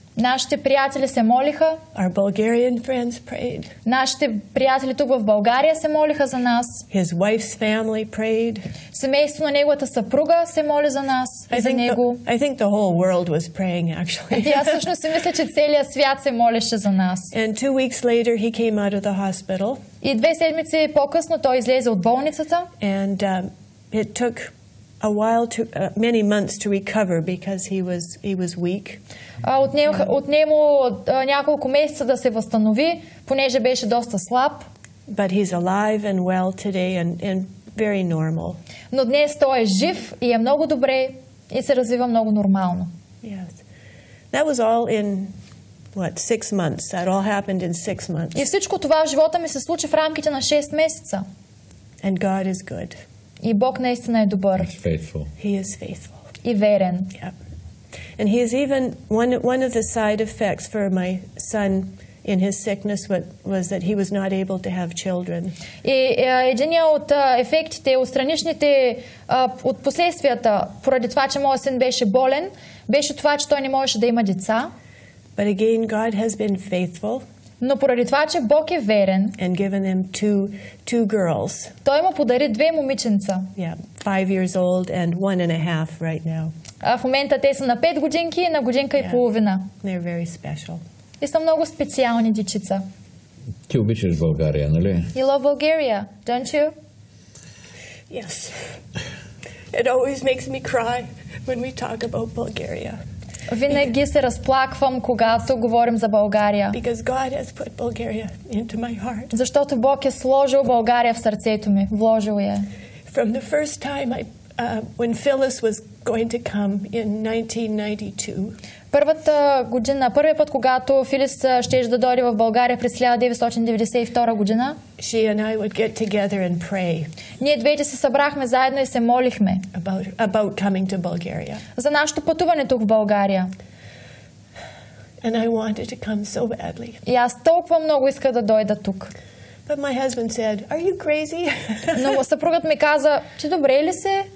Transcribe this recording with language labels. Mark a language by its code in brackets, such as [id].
[bg] Нашите приятели се молиха. [en] Our Bulgarian friends prayed. [bg] Нашите приятели тук в България се молиха за нас. [en] His wife's family prayed. [bg] Семейството на неговата съпруга се моли за нас, за него. [en] I think the whole world was praying, actually. [bg] И аз всъщност мисля, че целият свят се молеше за нас. [en] And 2 weeks later, he came out of the hospital. [bg] И 2 седмици по-късно той излезе от болницата. [en] And it took a while to many months to recover because he was weak. [bg] Отнемо няколко месеца да се възстанови, понеже беше доста слаб. [en] But he's alive and well today and very normal. [bg] Но днес той е жив и е много добре и се развива много нормално. [en] Yes. That was all in what, 6 months. That all happened in 6 months. [bg] И всичко това в живота ми се случи в рамките на 6 месеца. [en] And God is good. [bg] И Бог наистина е добър. [en] He's faithful. He is faithful. [bg] И верен. [en] Yeah. And he is even one of the side effects for my son in his sickness was that he was not able to have children. [bg] И един от ефектите, отстранишните от последствията поради това, че моят син беше болен, беше това, че той не можеше да има деца. [en] But again, God has been faithful. [bg] Но поради това, че Бог е верен, [en] and given them two girls. [bg] Той му подари 2 момиченца. [en] Yeah, 5 years old and 1.5 right now. [bg] А в момента те са на 5 годинки и на годинка и половина. [en] They're very special. [bg] И са много специални дечица. Ти обичаш България, нали? [en] You love Bulgaria, don't you? Yes. It always makes me cry when we talk about Bulgaria. [bg] Винаги се разплаквам, когато говорим за България. [en] Because God has put Bulgaria into my heart. [bg] Защото Бог е сложил България в сърцето ми, вложил я. [en] From the first time when Phyllis was going to come in 1992. [bg] Първата година, първият път, когато Филис щеше да дойде в България през 1992 година. [en] She and I would get together and pray. [bg] Ние двете се събрахме заедно и се молихме. [en] About coming to Bulgaria. [bg] За нашето пътуване тук в България. [en] And I wanted to come so badly. [bg] И аз толкова много иска да дойда тук. [en] But my husband said, "Are you crazy?" [bg] Но съпругът ми каза, "Че добре ли се?"